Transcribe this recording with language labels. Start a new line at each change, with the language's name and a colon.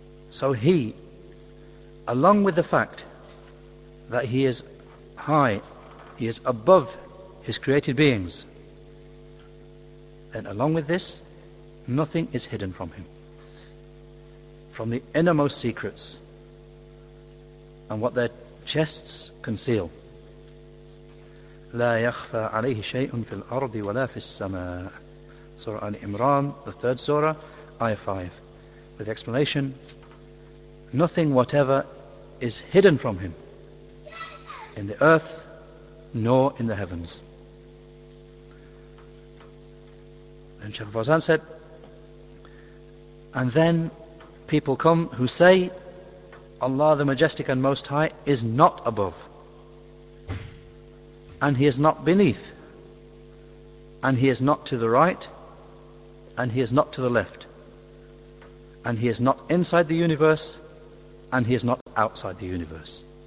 English: So he, along with the fact that he is high, he is above his created beings, and along with this, nothing is hidden from him. From the innermost secrets and what their chests conceal.
Arabic: لا يخفى عليه شيء في الأرض ولا في السماء.
English: Surah Al-Imran, the third surah, ayah 5. With the explanation, nothing whatever is hidden from him in the earth nor in the heavens. And Shaykh Fawzan said, and then people come who say, Allah the Majestic and Most High is not above, and he is not beneath, and he is not to the right, and he is not to the left, and he is not inside the universe, and he is not outside the universe.